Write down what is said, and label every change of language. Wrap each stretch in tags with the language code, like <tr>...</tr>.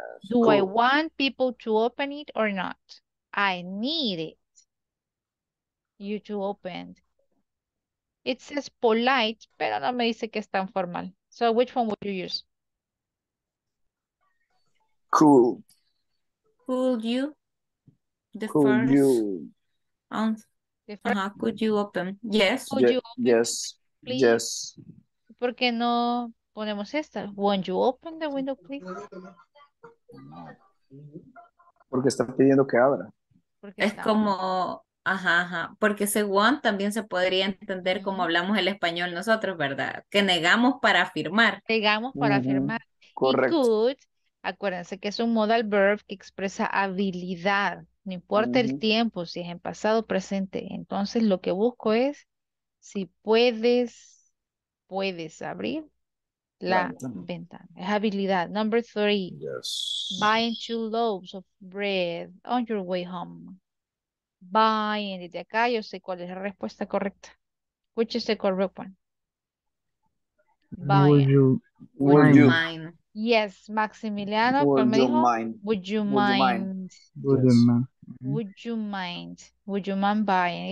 <en>Do I want people to open it or not? I need it. You to open. It says polite,</en> <es>pero no me dice que es tan formal.</es> <en>So which one would you use? Cool. Could you? The could first. You. The first. Uh-huh. Could you open? Yes. Could you open? Yes. Please? Yes.</en> <es>¿Por qué no ponemos esta?</es> <en>Won't you open the window, please?</en> <es>Porque está pidiendo que abra. Porque es como, ajá, ajá. Porque ese want también se podría entender como hablamos el español nosotros, ¿verdad? Que negamos para afirmar. Negamos para afirmar. Correcto. Y could, acuérdense que es un modal verb que expresa habilidad. No importa el tiempo, si es en pasado o presente. Entonces lo que busco es si puedes, puedes abrir la ventana. Es habilidad.</es> <en>Number three. Yes. Buying 2 loaves of bread on your way home. Buying.</en> <es>Desde acá yo sé cuál es la respuesta correcta.</es> <en>Which is the correct one? Buying. Would you mind? Yes, Maximiliano. Would you mind buying?</en>